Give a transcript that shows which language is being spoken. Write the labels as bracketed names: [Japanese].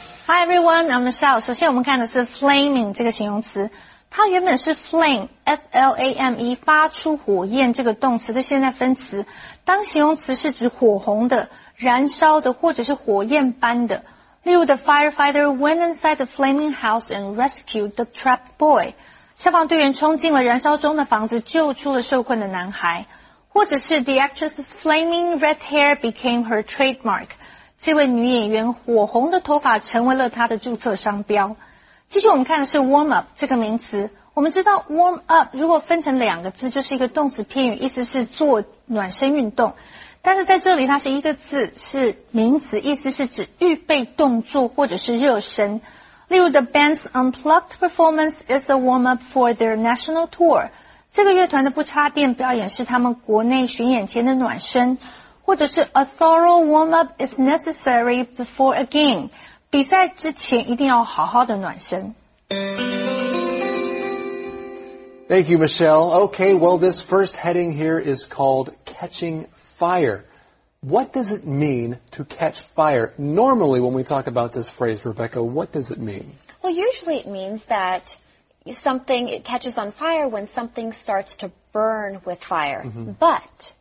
[English] Hi everyone, I'm Michelle. [Chinese] 首先我们看的是 flaming 这个形容词，它原本是 flame, F-L-A-M-E, 发出火焰这个动词的现在分词，当形容词是指火红的、燃烧的或者是火焰般的。例如 [English] The firefighter went inside the flaming house and rescued the trapped boy. [Chinese] 消防队员冲进了燃烧中的房子救出了受困的男孩。或者是 [English] The actress's flaming red hair became her trademark. [Chinese] 这位女演员火红的头发成为了她的注册商标。继续我们看的是 warm up 这个名词。我们知道 warm up 如果分成两个字就是一个动词片语，意思是做暖身运动。但是在这里它是一个字，是名词，意思是指预备动作或者是热身。例如 [English] The band's unplugged performance is a warm up for their national tour. [Chinese] 这个乐团的不插电表演是他们国内巡演前的暖身。或者是 [English] a thorough warm-up is necessary before a game. [Chinese] 比赛之前一定要好好的暖身。 [English] Thank you, Michelle. Okay, well, this first heading here is called catching fire. What does it mean to catch fire? Normally, when we talk about this phrase, Rebecca, what does it mean? Well, usually it means that something it catches on fire when something starts to burn with fire. Mm-hmm. But...